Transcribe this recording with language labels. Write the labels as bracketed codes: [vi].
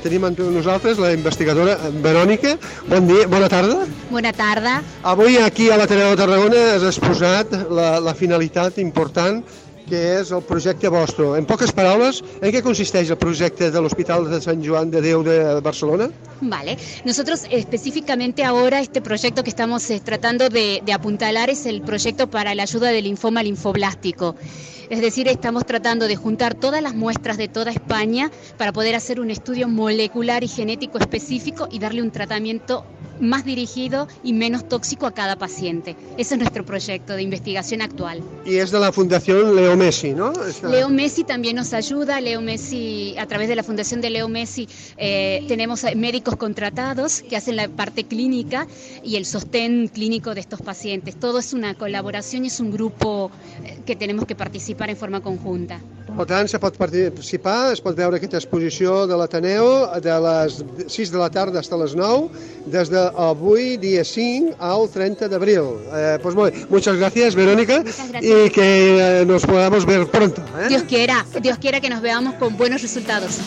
[ca] Tenim amb nosaltres la investigadora Verònica. Bon dia, bona tarda. Bona tarda. Avui aquí a l'Ateneu de Tarragona has exposat la finalitat important que és el projecte vostre. En poques paraules, en què consisteix el projecte de l'Hospital de Sant Joan de Déu de Barcelona? [es] Vale. Nosotros específicamente ahora este proyecto que estamos tratando de apuntalar es el proyecto para la ayuda del linfoma linfoblástico. Es decir, estamos tratando de juntar todas las muestras de toda España para poder hacer un estudio molecular y genético específico y darle un tratamiento más dirigido y menos tóxico a cada paciente. Ese es nuestro proyecto de investigación actual. Y es de la Fundación Leo Messi, ¿no? Leo Messi también nos ayuda. Leo Messi, a través de la Fundación de Leo Messi, tenemos médicos contratados que hacen la parte clínica y el sostén clínico de estos pacientes. Todo es una colaboración y es un grupo que tenemos que participar en forma conjunta. [ca] Per tant, se pot participar, es pot veure aquesta exposició de l'Ateneu de les 6 de la tarda fins a les 9, des d'avui, dia 5, al 30 d'abril. [es] Pues muy, muchas gracias, Verónica, y que nos podamos ver pronto. Dios quiera que nos veamos con buenos resultados.